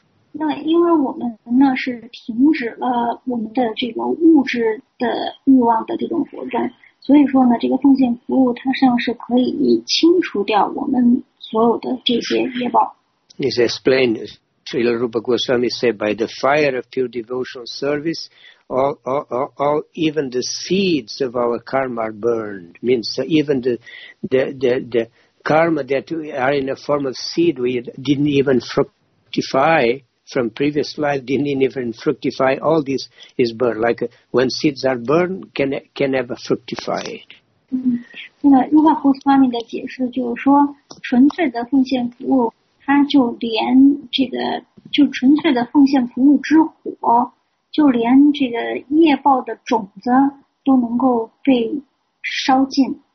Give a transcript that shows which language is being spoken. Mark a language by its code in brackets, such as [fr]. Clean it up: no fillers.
[zh] 那因为我们呢是停止了我们的这个物质的欲望的这种活动，所以说呢，这个奉献服务它实际上是可以清除掉我们所有的这些业报。 [en] It's explained, Srila Rupa Goswami said, by the fire of pure devotional service, all even the seeds of our karma are burned. Means even the karma that are in the form of seed we didn't even fructify. From previous life didn't even fructify, all this is burned. Like when seeds are burned, can never fructify it. [zh] 嗯，那如果胡斯瓦米的解释就是说，纯粹的奉献服务，它就连这个，就纯粹的奉献服务之火，就连这个业报的种子都能够被烧尽。